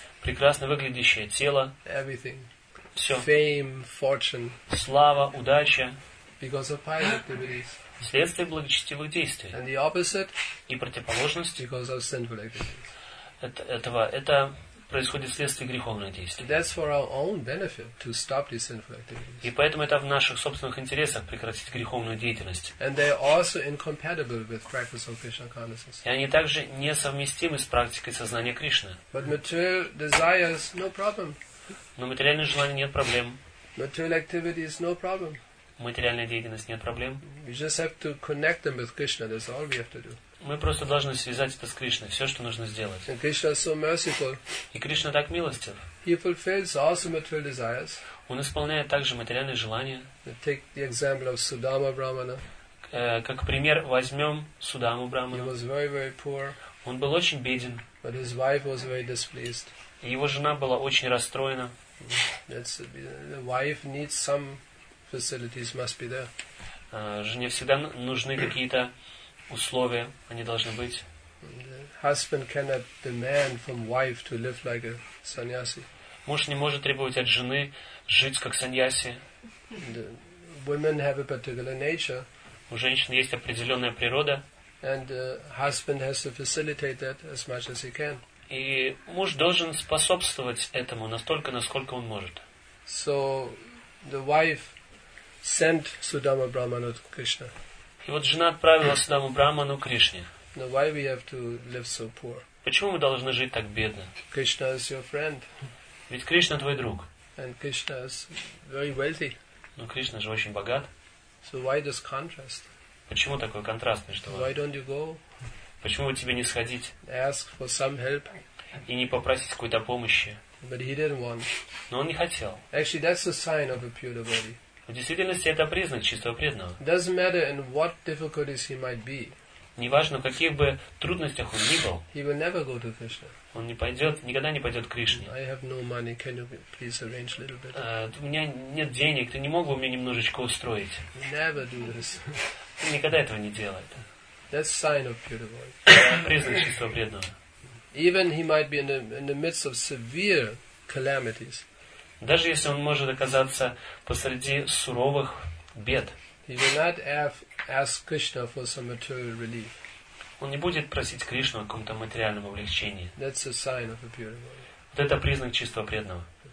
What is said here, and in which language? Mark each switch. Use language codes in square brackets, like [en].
[ru] Прекрасно выглядящее тело. [en] Everything. [ru] Все. [en] Fame, fortune. [ru] Слава, удача. [en] Because of pious activities. [ru] Вследствие благочестивых действий. [en] And the opposite. [ru] И противоположность. [en] Because of sinful activities. [ru] Это происходит вследствие греховных действий. [en] That's for our own benefit, to stop these sinful activities. [ru] И поэтому это в наших собственных интересах прекратить греховную деятельность. [en] And they are also incompatible with practice of Krishna consciousness. [ru] И они также несовместимы с практикой сознания Кришны. [en] But material desires, no problem. [ru] Но материальные желания нет проблем. [en] Material activities, no problem. [ru] Материальная деятельность нет проблем. [en] We just have to connect them with Krishna. That's all we have to do. [ru] Мы просто должны связать это с Кришной, все, что нужно сделать. [en] And Krishna is so merciful. [ru] И Кришна так милостив. [en] He fulfills also material desires. [ru] Он исполняет также материальные желания. [en] Take the example of Sudama Brahmana. [ru] Как пример возьмем Судаму Брахмана. [en] He was very, very poor. [ru] Он был очень беден. [en] But his wife was very displeased. [ru] И его жена была очень расстроена. [en] That's, the wife needs some facilities, must be there. [ru] Жене всегда нужны какие-то условия, они должны быть. [en] Husband cannot demand from wife to live like a sannyasi. [ru] Муж не может требовать от жены жить как саньяси. [en] The women have a particular nature. [ru] У женщин есть определенная природа. [en] And husband has to facilitate that as much as he can. [ru] И муж должен способствовать этому настолько, насколько он может. [en] So the wife sent Sudama Brahmana to Krishna. [ru] И вот жена отправила Судаму Брахману к Кришне. [en] Now why we have to live so poor? [ru] Почему мы должны жить так бедно? [en] Krishna is your friend. [ru] Ведь Кришна твой друг. [en] And Krishna is very wealthy. [ru] Но Кришна же очень богат. [en] So why this contrast? [ru] Почему такой контраст между вами? [en] Why don't you go? [ru] Почему бы тебе не сходить? [en] Ask for some help. [ru] И не попросить какой-то помощи. [en] But he didn't want. [ru] Но он не хотел. [en] Actually, that's a sign of a pure devotee. [ru] В действительности это признак чистого преданного. [en] Doesn't matter in what difficulties he might be. [ru] Неважно, в каких бы трудностях он ни был. [en] He will never go to Krishna. [ru] Он не пойдет, никогда не пойдет к Кришне. [en] I have no money. Can you please arrange a little bit? [ru] У меня нет денег. Ты не мог бы мне немножечко устроить? [en] Never do this. [ru] Он никогда этого не делает. [en] That's sign of pure devotee. [ru] Признак чистого преданного. [en] Even he might be in the midst of severe calamities. [ru] Даже если он может оказаться посреди суровых бед, он не будет просить Кришну о каком-то материальном облегчении. Вот это признак чистого преданного.